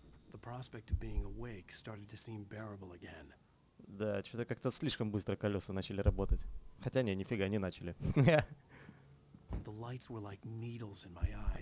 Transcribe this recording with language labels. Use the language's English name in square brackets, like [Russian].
[English] The prospect of being awake started to seem bearable again. [Russian] Да, что-то как-то слишком быстро колеса начали работать. Хотя не, нифига не начали. [English] The lights were like needles in my eyes.